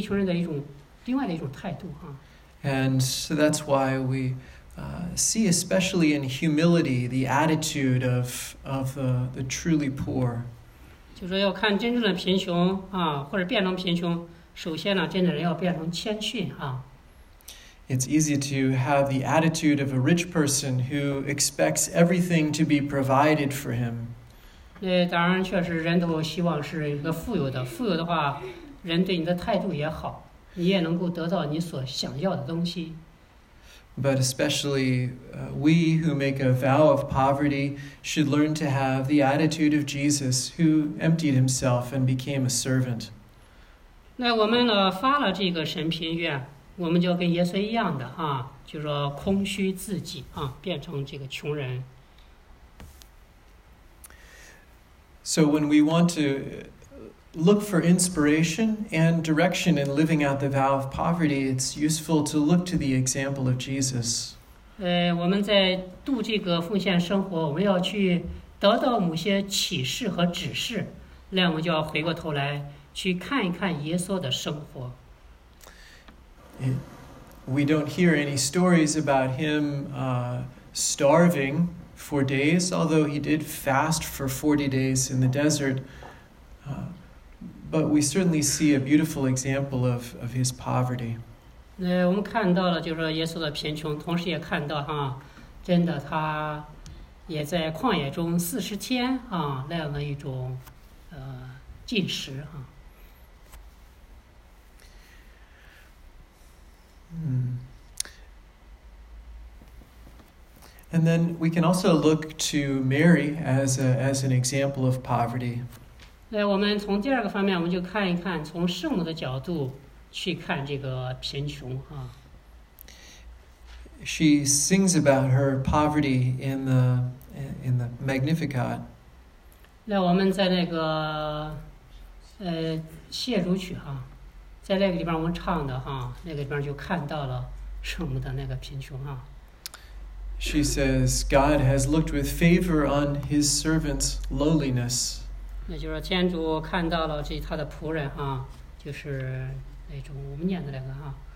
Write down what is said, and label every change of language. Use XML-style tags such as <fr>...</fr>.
<zh>那就说让这种贫穷这样的，对我们来说，就在我们的生命中应该有这样的一种态度啊，对穷人的一种另外的一种态度啊。</zh> <en>And so that's why we. See especially in humility the attitude of the truly poor.</en> <zh>就说要看真正的贫穷啊，或者变成贫穷。首先呢，真的人要变成谦逊啊。</zh> <en>It's easy to have the attitude of a rich person who expects everything to be provided for him.</en> <zh>对，当然确实人都希望是一个富有的。富有的话，人对你的态度也好，你也能够得到你所想要的东西。</zh> <en>But especially we who make a vow of poverty should learn to have the attitude of Jesus who emptied himself and became a servant.</en> <zh>那我们呢，发了这个神贫愿，我们就跟耶稣一样的啊，就说空虚自己啊，变成这个穷人。</zh> <en>So when we want to look for inspiration and direction in living out the vow of poverty, it's useful to look to the example of Jesus.</en> <zh>我们在度这个奉献生活，我们要去得到某些启示和指示，那我们就要回过头来去看一看耶稣的生活。</zh> <en>We don't hear any stories about him starving for days, although he did fast for 40 days in the desert. But we certainly see a beautiful example of his poverty.</en> <zh>我们看到了就是耶稣的贫穷，同时也看到哈，真的他也在旷野中40天啊，那样的一种进食啊。</zh> <en>And then we can also look to Mary as an example of poverty.</en> <zh>那我们从第二个方面，我们就看一看从圣母的角度去看这个贫穷啊。</zh> <en>She sings about her poverty in the Magnificat.</en> <zh>那我们在那个谢主曲哈。在那个地方我们唱的哈，那个地方就看到了圣母的那个贫穷啊。</zh> <en>She says, God has looked with favor on his servant's lowliness.</en> <zh>那就是天主看到了这他的仆人哈，就是那种我们念的那个哈。</zh>